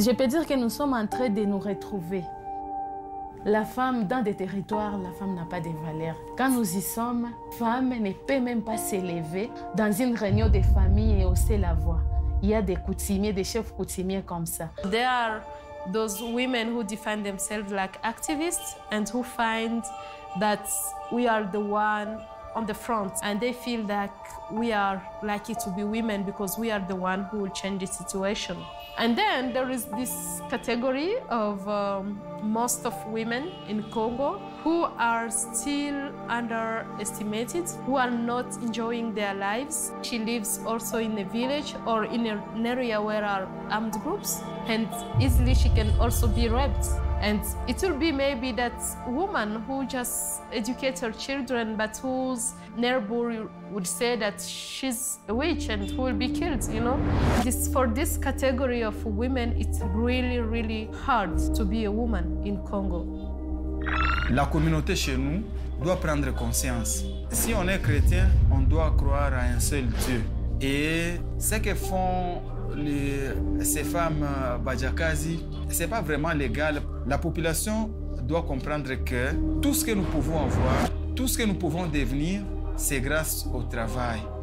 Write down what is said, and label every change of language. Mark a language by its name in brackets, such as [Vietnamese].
[French] Je peux dire que nous sommes en train de nous retrouver. La femme dans des territoires, la femme n'a pas de valeur. Quand nous y sommes, la femme ne peut même pas s'élever dans une réunion de famille et hausser la voix. Il y a des coutumiers, des chefs coutumiers comme ça. [English] There are those women who define themselves like activists and who find that we are the one on the front and they feel like we are lucky to be women because we are the one who will change the situation. And then there is this category of most of women in Congo who are still underestimated, who are not enjoying their lives. She lives also in a village or in an area where are armed groups, and easily she can also be raped. And it will be maybe that woman who just educates her children, but whose neighbor would say that she's a witch and who will be killed, you know? This, for this category of women, it's really, really hard to be a woman in Congo. [French] La communauté chez nous doit prendre conscience. Si on est chrétien, on doit croire à un seul Dieu. Et ce que font ces femmes Badjakazi, ce n'est pas vraiment légal. La population doit comprendre que tout ce que nous pouvons avoir, tout ce que nous pouvons devenir, c'est grâce au travail.